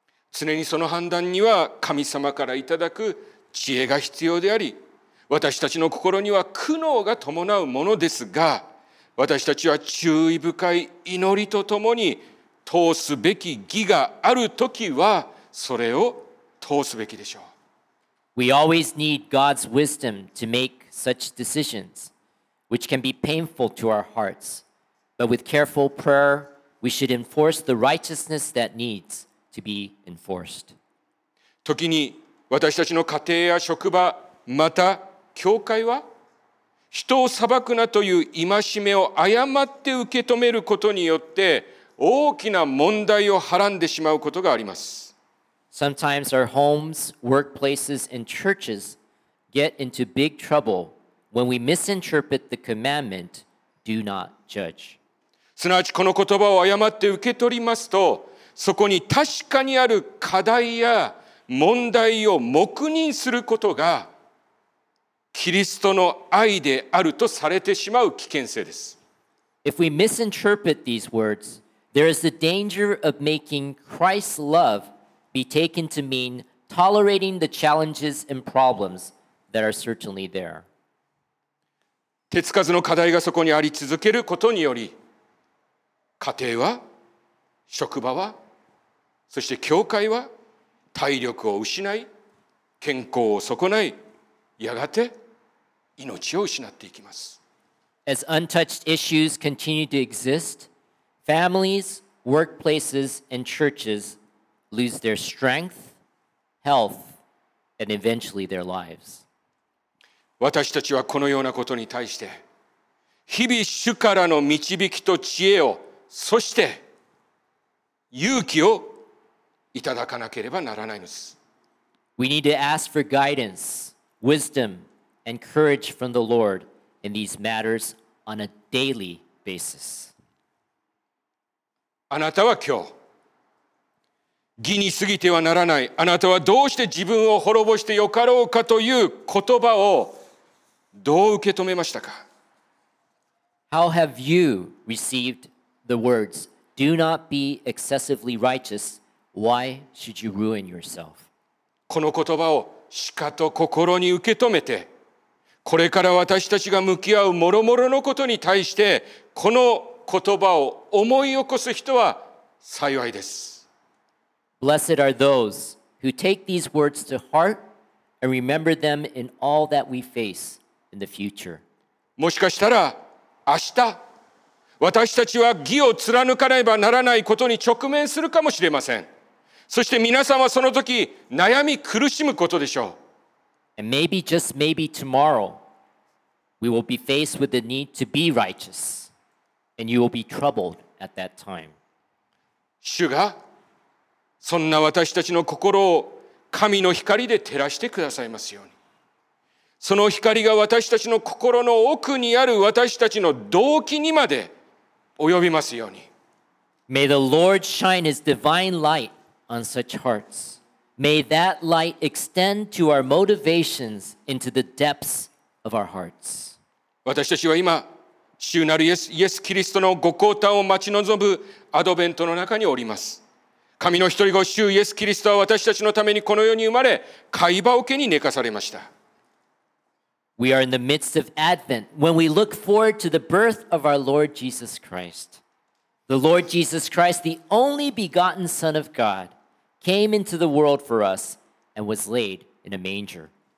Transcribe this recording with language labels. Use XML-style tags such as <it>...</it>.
<ja>常にその判断には神様からいただく知恵が必要であり、私たちの心には苦悩が伴うものですが、私たちは注意深い祈りとともに通すべき義があるときはそれを通すべきでしょう。</ja> <en>We always need God's wisdom to make such decisions, which can be painful to our hearts. But with careful prayer, we should enforce the righteousness that needs to be enforced.</en> <ja>時に私たちの家庭や職場、また教会は、人を裁くなという戒めを誤って受け止めることによって、大きな問題をはらんでしまうことがあります。</ja> <en>Sometimes our homes, workplaces, and churches get into big trouble when we misinterpret the commandment, do not judge.</en> <ja>すなわちこの言葉を誤って受け取りますと、そこに確かにある課題や問題を黙認することがキリストの愛であるとされてしまう危険性です。</ja> <en>If we misinterpret these words, there is the danger of making Christ's love be taken to mean tolerating the challenges and problems that are certainly there.</en> <ja>手つかずの課題がそこにあり続けることにより、家庭は、職場は、そして教会は、体力を失い、健康を損ない、やがて命を失っていきます。</ja> <en>As untouched issues continue to exist, families, workplaces, and churches lose their strength, health, and eventually their lives.</en> <ja>私たちはこのようなことに対して、日々主からの導きと知恵をそして勇気をいただかなければならないのです。</ja> <en>We need to ask for guidance, wisdom, and courage from the Lord in these matters on a daily basis.</en> <ja>あなたは今日、義に過ぎてはならない。あなたはどうして自分を滅ぼしてよかろうかという言葉をどう受け止めましたか？</ja> <en>How have you received the words, "Do not be excessively righteous. Why should you ruin yourself?"</en> <ja>この言葉をしかと心に受け止めて、これから私たちが向き合う諸々のことに対して、この言葉を思い起こす人は幸いです。</ja> <en>Blessed are those who take these words to heart and remember them in all that we face in the future.</en> <ja>もしかしたら明日、私たちは義を貫かねばならないことに直面するかもしれません。そして皆さんはその時悩み苦しむことでしょう。</ja> <en>And maybe, just maybe tomorrow, we will be faced with the need to be righteous, and you will be troubled at that time.</en> <ja>主がそんな私たちの心を神の光で照らしてくださいますように。その光が私たちの心の奥にある私たちの動機にまで及びますように。</ja> <en>May the Lord shine His divine light on such hearts. May that light extend to our motivations into the depths of our hearts.</en> <ja>私たちは今、主なるイエス・キリストのご降誕を待ち望むアドベントの中におります。神の一人子、主イエス・キリストは私たちのためにこの世に生まれ、貝場桶に寝かされました。</ja> <en>We are in the midst of Advent when we look forward to the birth of our Lord Jesus Christ. The Lord Jesus Christ, the only begotten Son of God,came into the world for us and was laid in a manger.</en>